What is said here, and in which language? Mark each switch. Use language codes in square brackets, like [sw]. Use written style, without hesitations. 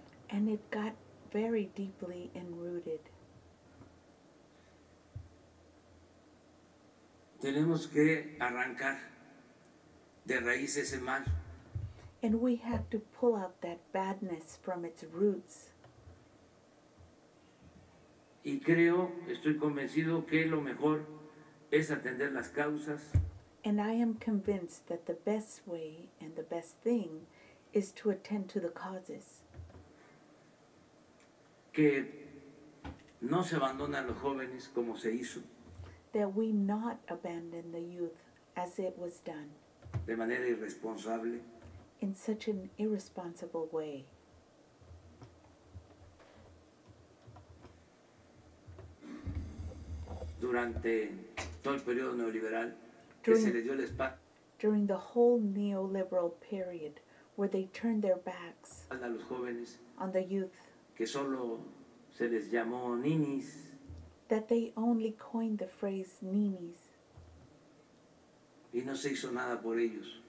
[en] And it got very deeply enrooted. [es] Tenemos que arrancar de raíz ese mal. [en] And we have to pull out that badness from its roots. [es] Y creo, estoy convencido que lo mejor es atender las causas. [en] And I am convinced that the best way and the best thing is to attend to the causes. [es] Que no se abandonan los jóvenes como se hizo. [en] That we not abandon the youth as it was done. [es] De manera irresponsable. [en] In such an irresponsible way. [es] Durante todo el periodo neoliberal que se le dio el espacio. [en] During the whole neoliberal period where they turned their backs [es] a los jóvenes, [en] on the youth. [es] Que solo se les llamó ninis. [en] That they only coined the phrase ninis. [es] Y no se hizo nada por ellos.